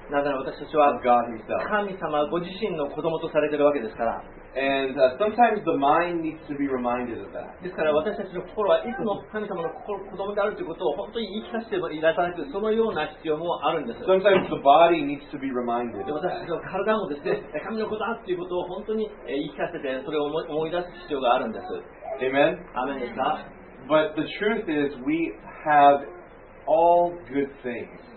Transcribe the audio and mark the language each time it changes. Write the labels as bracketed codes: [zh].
[ja] なぜなら私たちは神様ご自身の子供とされてるわけですから。 [en] And sometimes the mind needs to be reminded of that. [ja] ですから私たちの心はいつも神様の子供であるということを本当に言い聞かせてもいらっしゃる、そのような必要もあるんです。 [en] Sometimes the body needs to be reminded. [ja] 私たちの体もですね、神の子だということを本当に言い聞かせて、それを思い出す必要があるんです。 [en] Amen. Amen. But the truth is, we have all good things.